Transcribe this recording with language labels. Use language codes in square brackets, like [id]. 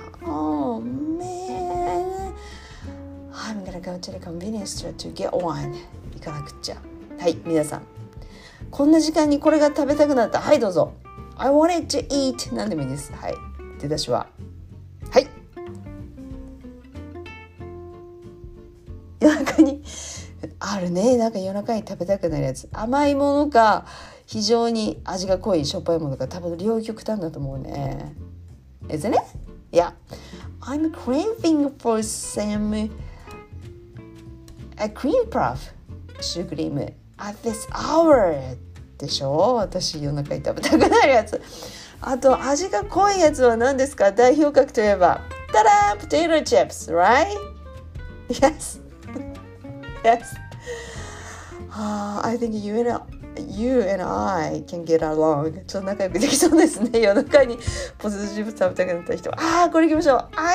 [en] Oh man, I'm gonna go to the convenience store to get one. [ja] 行かなくちゃ。はい、皆さん、こんな時間にこれが食べたくなった。はい、どうぞ。 [en] I wanted to eat. [ja] 何でもいいです。はい、出だしは、はい、夜中にあるね。なんか夜中に食べたくなるやつ、甘いものか非常に味が濃いしょっぱいものが、多分両極端だと思うね。 [en] Isn't it? Yeah, I'm craving for some a cream puff シュークリーム at this hour [ja] でしょ。私夜中に食べたくなるやつ。あと味が濃いやつは何ですか。代表格といえば、タラー、ポテトチップス、 [en] right? Yes. Yes. I think you and I can get along. [ja] ちょっと仲良くできそうですね。夜中にポテトチップス食べたくなった人は。ああ、これいきましょう。